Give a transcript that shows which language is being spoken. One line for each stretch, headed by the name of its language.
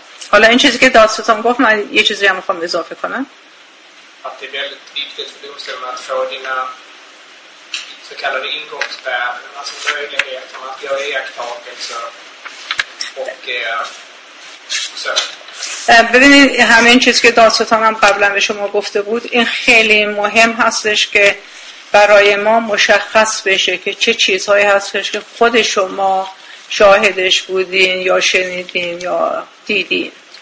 Persian: حالا این چیزی که دادستان گفت، من یه چیزی هم میخوام اضافه کنم.
Swedish: Att det är väldigt viktigt för domstolen att få dina så kallade ingångsvärden, alltså möjligheten att göra iakttagelser och så.
Persian: ببینید همه این چیزی که دادستان هم قبلا به شما گفته بود، این خیلی مهم هستش که برای ما مشخص بشه که چه چیزهایی هستش که خود شما شاهدش بودین یا شنیدین یا دیدین.